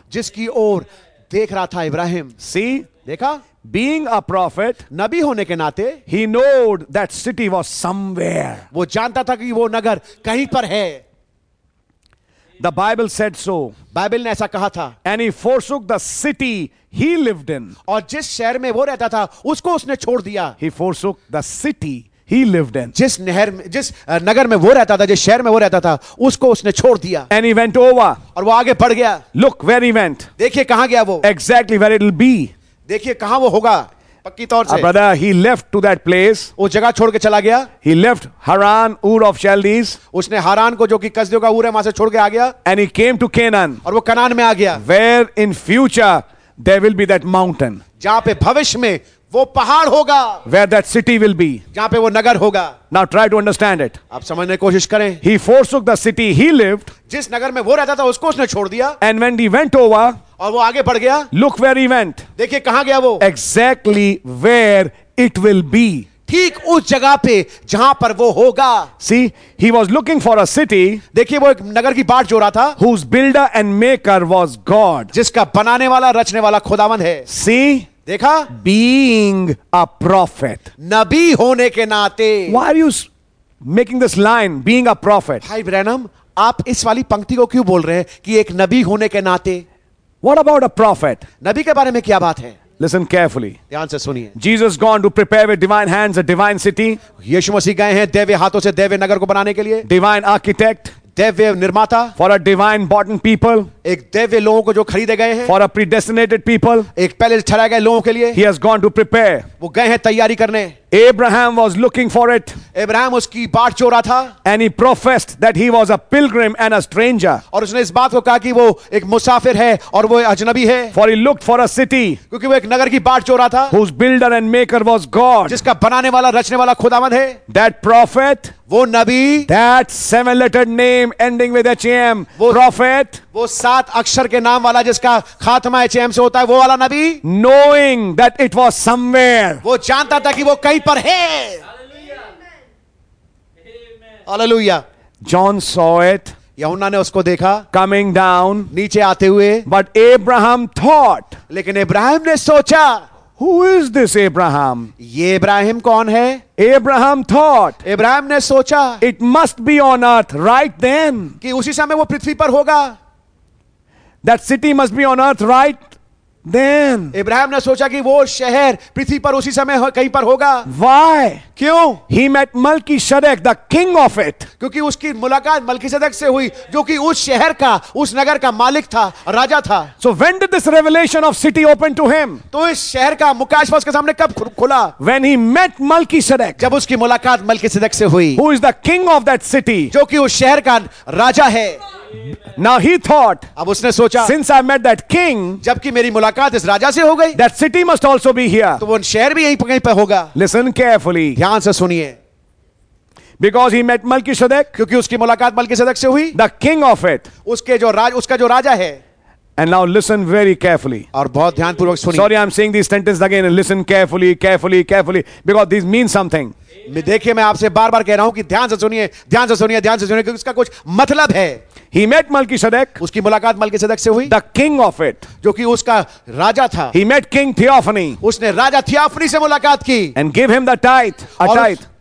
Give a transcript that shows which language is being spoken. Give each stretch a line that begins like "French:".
Hindi: जिसकी ओर देख रहा था Abraham.
English: See?
Hindi: देखा?
English: Being a prophet,
Hindi: नबी होने के नाते,
English: he knowed that city was somewhere.
Hindi: वो जानता था कि वो नगर कहीं पर है.
English: The Bible said so.
Hindi: Bible ने ऐसा कहा था.
English: And he forsook the city he lived in.
Hindi: और जिस शहर में वो रहता था उसको उसने छोड़ दिया.
English: He forsook the city he lived in.
Hindi: जिस नहर में, जिस नगर में वो रहता था, जिस शहर में वो रहता था उसको उसने छोड़ दिया.
English: And he went over.
Hindi: और वो आगे बढ़ गया.
English: Look where he went.
Hindi: देखिए कहां गया वो.
English: Exactly where it'll be.
Hindi: देखिए कहां वो होगा. पक्की तौर से.
English: Brother, he left to that place.
Hindi: वो जगह छोड़ के चला गया.
English: He left Haran, Ur of Chaldees.
Hindi: उसने हारान को जो कि कसदियों का ऊर है वहां से छोड़ के आ गया.
English: And he came to Canaan.
Hindi: और वो कनान में आ गया.
English: Where in future there will be that mountain.
Hindi: जहां पे भविष्य में वो पहाड़ होगा.
English: Where that city will be.
Hindi: जहां पे वो नगर होगा.
English: Now try to understand it.
Hindi: आप समझने कोशिश करें.
English: He forsook the city he lived.
Hindi: जिस नगर में वो रहता था उसको उसने छोड़ दिया.
English: And when he went over.
Hindi: और वो आगे बढ़ गया.
English: Look where he went.
Hindi: देखिए कहां गया वो.
English: Exactly where it will be.
Hindi: ठीक उस जगह पे जहां पर वो होगा.
English: See, he was looking for a city.
Hindi: देखिए वो एक नगर की बाट जो रहा था.
English: Whose builder and maker was God.
Hindi: जिसका बनाने वाला रचने वाला खुदावंद है.
English: See,
Hindi: देखा.
English: Being a prophet.
Hindi: नबी होने के नाते.
English: Why are you making this line? Being a prophet.
Hindi: भाई Branham, आप इस वाली पंक्ति को क्यों बोल रहे हैं कि एक नबी होने के नाते.
English: What about a prophet?
Hindi: नबी के बारे में क्या बात है?
English: Listen carefully.
Hindi: ध्यान से सुनिए.
English: Jesus gone to prepare with divine hands a divine city.
Hindi: यीशु मसीह गए हैं दैवीय हाथों से दैवीय नगर को बनाने के लिए.
English: Divine architect.
Hindi: दैवीय निर्माता.
English: For a divine bought people.
Hindi: एक दैवीय लोगों को जो खरीदे गए हैं.
English: For a predestinated people.
Hindi: एक पहले ठहराए गए लोगों के लिए.
English: He has gone to prepare.
Hindi: वो गए हैं तैयारी करने.
English: Abraham was looking for it.
Hindi: Abraham उसकी बाट चोरा था.
English: And he professed that he was a pilgrim and a stranger.
Hindi: और उसने इस बात को कहा कि वो एक मुसाफिर है और वो अजनबी है.
English: For he looked for a city.
Hindi: क्योंकि वो एक नगर की बाट चोरा था.
English: Whose builder and maker was God.
Hindi: जिसका बनाने वाला रचने वाला खुदावंद है.
English: That prophet.
Hindi: वो नबी.
English: That seven-lettered name ending with H-A-M.
Hindi: वो prophet. वो सात अक्षर के नाम वाला जिसका खात्मा H-A-M से होता है वो वाला नबी.
English: Knowing that it was somewhere.
Hindi: वो जानता था कि वो कहीं पर है. हालेलुया.
English: John saw it.
Hindi: यूहन्ना ने उसको देखा.
English: Coming down.
Hindi: नीचे आते हुए.
English: But Abraham thought.
Hindi: लेकिन Abraham ने सोचा.
English: Who is this Abraham?
Hindi: ये Abraham कौन है?
English: Abraham thought.
Hindi: Abraham ने सोचा.
English: It must be on earth right then.
Hindi: कि उसी समय वो पृथ्वी पर होगा.
English: That city must be on earth right then.
Hindi: Abraham ने सोचा कि वो शहर पृथ्वी पर उसी समय कहीं पर होगा.
English: Why?
Hindi: क्यों?
English: He met Melchizedek, the king of it.
Hindi: क्योंकि उसकी मुलाकात Melchizedek से हुई जो कि उस शहर का उस नगर का मालिक था राजा था.
English: So when did this revelation of city open to him?
Hindi: तो इस शहर का मुकाशफा उसके सामने कब खुला?
English: When he met Melchizedek.
Hindi: जब उसकी मुलाकात Melchizedek से हुई.
English: Who is the king of that city?
Hindi: जो कि उस शहर का राजा है.
English: Now he thought.
Hindi: अब उसने सोचा.
English: Since I met that king.
Hindi: जबकि मेरी मुलाकात इस राजा से हो गई.
English: That city must also be here.
Hindi: तो वो शहर भी यहीं कहीं पर होगा.
English: Listen carefully.
Hindi: ध्यान से सुनिए.
English: Because he met Melchizedek.
Hindi: क्योंकि उसकी मुलाकात Melchizedek से हुई.
English: The king of it.
Hindi: उसके जो राज उसका जो राजा है.
English: And now listen very carefully.
Hindi: और बहुत ध्यान पूर्वक सुनिए.
English: Sorry, I'm saying these sentences again. Listen carefully, carefully, carefully, because these mean something.
Hindi: देखिए मैं आपसे बार बार कह रहा हूँ कि ध्यान से सुनिए, ध्यान से सुनिए, ध्यान से सुनिए, क्योंकि इसका कुछ मतलब है.
English: He met Melchizedek.
Hindi: उसकी मुलाकात Melchizedek से हुई.
English: The king of it.
Hindi: जो कि उसका राजा था.
English: He met King Theophany.
Hindi: उसने राजा Theophany से मुलाकात की.
English: And give him the tithe. A tithe.